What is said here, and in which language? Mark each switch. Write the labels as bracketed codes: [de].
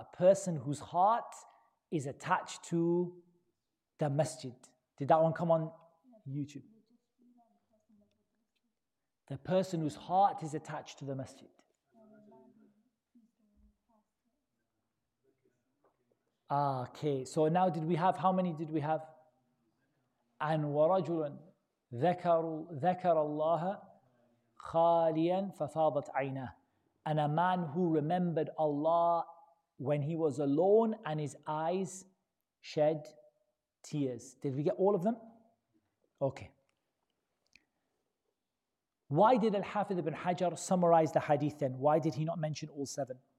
[en] A person whose heart is attached to the masjid. Did that one come on YouTube? The person whose heart is attached to the masjid. Okay, so now did we have, how many did we have? And [ar] وَرَجُلٌ ذَكَرَ اللَّهَ خَالِيًا فَفَاضَتْ عَيْنَهُ. [en] And a man who remembered Allah when he was alone and his eyes shed tears. Did we get all of them? Okay. Why did Al-Hafidh ibn Hajar summarize the hadith then? Why did he not mention all seven?